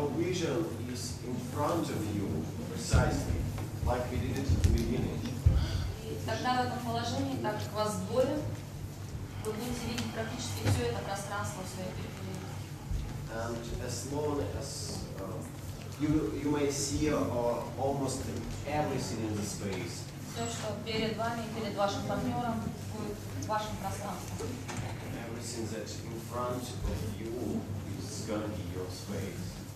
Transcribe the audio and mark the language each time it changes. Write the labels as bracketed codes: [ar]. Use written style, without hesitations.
[en] vision is in front of you precisely, like we did it at the beginning. [ru] Тогда в этом положении, так как вас двое, вы будете видеть практически все это пространство в своей периферии. [en] And as long as you may see almost everything in the space. [ru] Все, что перед вами, перед вашим партнером, будет в вашем пространстве. [en] Everything that's in front of you is gonna be your space.